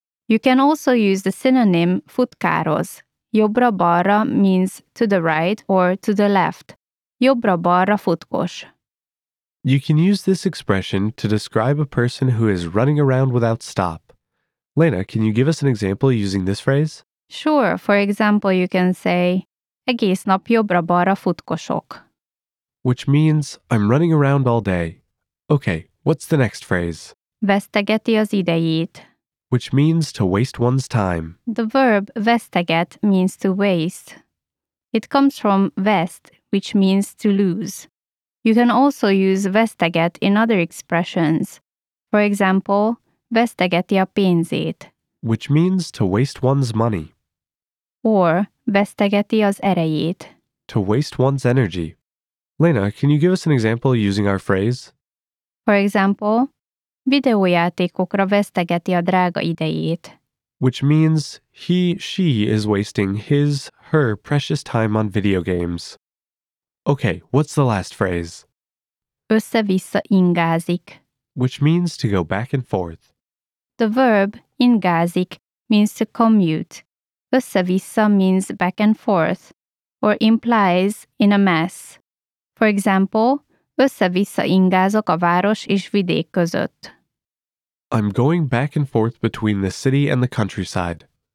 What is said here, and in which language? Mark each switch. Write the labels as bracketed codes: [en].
[en] You can also use the synonym futkároz. Jobbra-balra means to the right or to the left. [hu] Jobbra-balra futkos. [en] You can use this expression to describe a person who is running around without stop. Lena, can you give us an example using this phrase? Sure. For example, you can say [hu] egész nap jobbra-balra futkosok, [en] which means I'm running around all day. Okay, what's the next phrase? [hu] Vesztegeti az idejét, [en] which means to waste one's time. The verb veszteget means to waste. It comes from veszt, which means to lose. You can also use veszteget in other expressions. For example, [hu] veszteti a pénzét, [en] which means to waste one's money. Or [hu] veszteti az erejét, [en] to waste one's energy. Lena, can you give us an example using our phrase? For example, [hu] videójátékokra veszteti a drága idejét, [en] which means she is wasting her precious time on video games. Okay, what's the last phrase? [hu] Össze-vissza ingázik, [en] which means to go back and forth. The verb ingázik means to commute. Össze-vissza means back and forth or implies in a mess. For example, [hu] össze-vissza ingázok a város és vidék között. [en] I'm going back and forth between the city and the countryside.